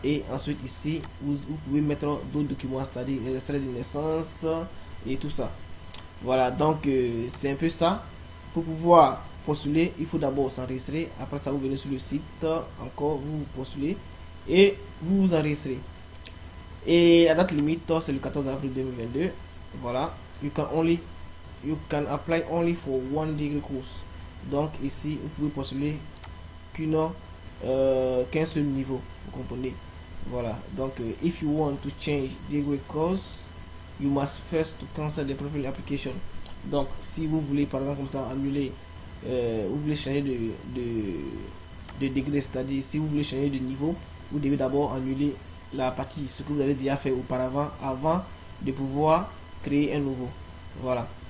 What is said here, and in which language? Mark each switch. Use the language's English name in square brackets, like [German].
[French] Et ensuite ici, vous pouvez mettre d'autres documents, c'est-à-dire les extraits de naissance et tout ça. Voilà, donc c'est un peu ça. Pour pouvoir postuler, il faut d'abord s'enregistrer. Après ça, vous venez sur le site, encore vous postulez et vous vous enregistrez. Et la date limite, c'est le 14 avril 2022. Voilà. [English] You can apply only for one degree course. [French] Donc ici, vous pouvez postuler qu'un seul niveau. Vous comprenez? Voilà. [English] Donc, if you want to change degree course, you must first to cancel the profile application. [French] Donc, si vous voulez, par exemple, comme ça, annuler, vous voulez changer de degré, c'est-à-dire si vous voulez changer de niveau, vous devez d'abord annuler la partie, ce que vous avez déjà fait auparavant, avant de pouvoir créer un nouveau. Voilà.